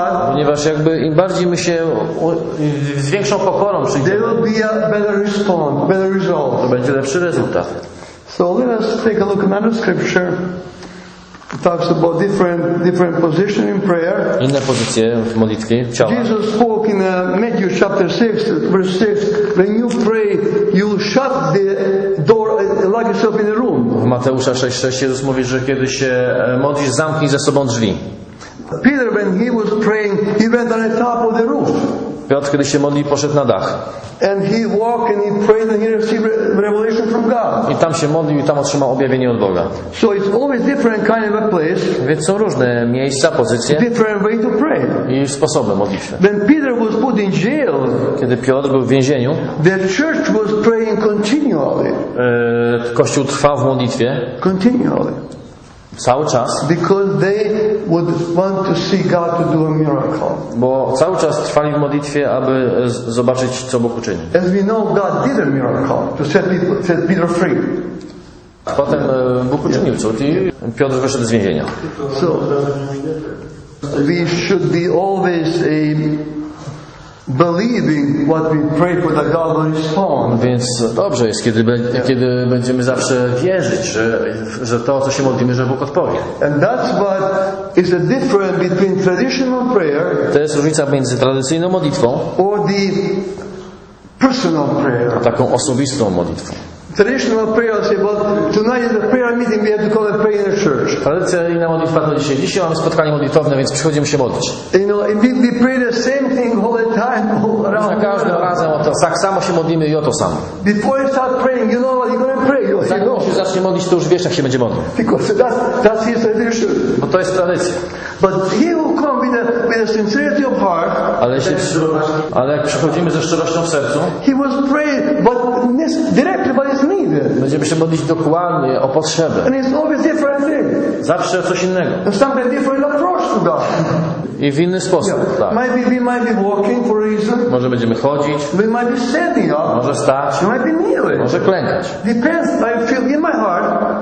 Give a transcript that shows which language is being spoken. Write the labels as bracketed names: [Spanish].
[Polish] Ponieważ jakby im bardziej my się z większą pokorą przyjdziemy, to będzie lepszy rezultat. [English] So let us take a look at another scripture. It talks about different position in prayer. [Polish] Inne pozycje w modlitwie ciała. [English] Jesus spoke in Matthew chapter 6, verse 6. When you pray, you shut the door and lock yourself in the room. [Polish] W Mateusza 6:6 Jezus mówi, że kiedy się modlisz, zamknij ze sobą drzwi. [English] Peter, when he was praying, he went on the top of the roof. [Polish] Piotr, kiedy się modli, poszedł na dach. [English] And he walked and he prayed and he received revelation from God. [Polish] I tam się modlił i tam otrzymał objawienie od Boga. [English] So it's always different kind of a place. [Polish] Więc są różne miejsca, pozycje. [English] Different way to pray. [Polish] I sposoby modlitwy. [English] When Peter was put in jail, [Polish] kiedy Piotr był w więzieniu, [English] the church was praying continually. [Polish] Kościół trwał w modlitwie. [English] Continually. [Polish] Cały czas. [English] Because they would want to see God to do a miracle. [Polish] Bo cały czas trwali w modlitwie, aby zobaczyć, co Bóg uczyni. [English] As we know, God did a miracle to set Peter free. [Polish] Potem Bóg uczynił cud i Piotr wyszedł z więzienia. [English] So we should be always a believing what we pray for, that God will respond. [Polish] Więc dobrze jest, kiedy będziemy zawsze wierzyć, że to, co się modlimy, że Bóg odpowie. [English] And that's what is the difference between traditional prayer. [Polish] To jest różnica między tradycyjną modlitwą [English] or the personal prayer. [Polish] A taką osobistą modlitwą. [English] Traditional prayer says, "Well, tonight is a prayer meeting. We have to call a prayer in the church." [Polish] Tradycyjna modlitwa to dzisiaj mamy spotkanie modlitewne, więc przychodzimy się modlić. [English] You know, and we pray the same thing all the time, all around. [Polish] Za każdym razem o to, tak samo się modlimy i o to samo. [English] Before you start praying, you know what you're going to pray. [Polish] Zanim zaczniesz modlić, to już wiesz, jak się będzie modlić. [English] Because that's his tradition. [Polish] Bo to jest tradycja. [English] But he will come with a sincerity of heart. [Polish] Ale jak przychodzimy ze szczerością w sercu, [English] he was praying, but directly by his need. [Polish] Będziemy się modlić dokładnie o potrzebę. [English] And it's always different thing. [Polish] Zawsze coś innego. [English] And something different approach to God. [Polish] I w inny sposób, yeah. Tak. [English] Maybe we might be walking for a reason. [Polish] Może będziemy chodzić. [English] We might be standing up. [Polish] Może stać. [English] We might be kneeling. [Polish] Może klękać. [English] Depends, I feel in my heart.